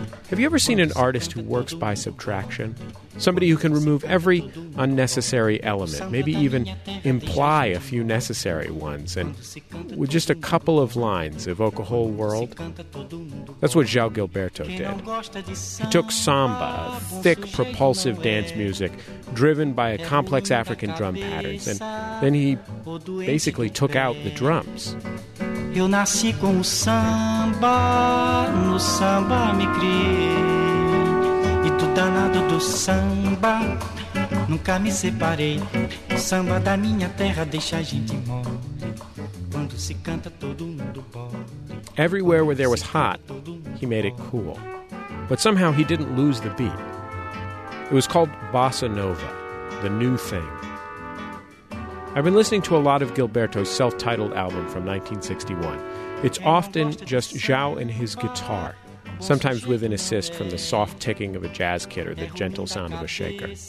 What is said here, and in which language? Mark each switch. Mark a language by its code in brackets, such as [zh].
[en] Have you ever seen an artist who works by subtraction? Somebody who can remove every unnecessary element, maybe even imply a few necessary ones, and with just a couple of lines evoke a whole world? That's what João Gilberto did. He took samba, thick, propulsive dance music, driven by a complex African drum pattern, and then he basically took out the drums. [pt] Eu nasci com o samba, no samba me criei. E do danado do samba, nunca me separei. O samba da minha terra deixa a gente mole. Quando se canta todo mundo pode. [en] Everywhere where there was hot, he made it cool. But somehow he didn't lose the beat. It was called Bossa Nova, the new thing. I've been listening to a lot of Gilberto's self-titled album from 1961. It's often just João and his guitar, sometimes with an assist from the soft ticking of a jazz kit or the gentle sound of a shaker.